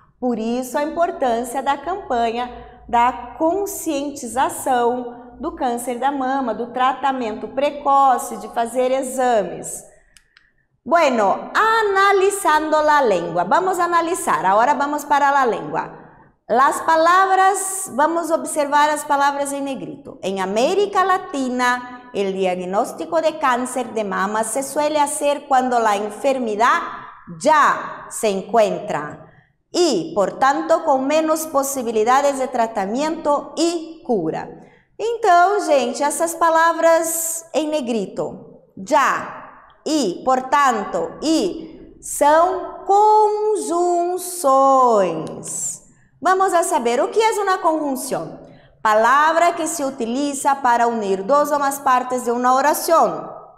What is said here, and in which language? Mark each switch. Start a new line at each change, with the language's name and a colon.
Portuguese: Por isso, a importância da campanha da conscientização do câncer da mama, do tratamento precoce, de fazer exames.
Spanish: Bueno, analizando la lengua.
Portuguese: Vamos analizar. Agora vamos para
Spanish: la lengua. Las palabras,
Portuguese: vamos observar as palavras em negrito.
Spanish: Em América Latina, el diagnóstico de cáncer de mama se suele hacer cuando la enfermedad ya se encuentra y, por tanto, con menos posibilidades de tratamiento y cura.
Portuguese: Então, gente, essas palavras em negrito. Já e, portanto, e são conjunções.
Spanish: Vamos a saber
Portuguese: o que é uma conjunção. Palavra que se utiliza para unir duas ou mais partes de uma oração.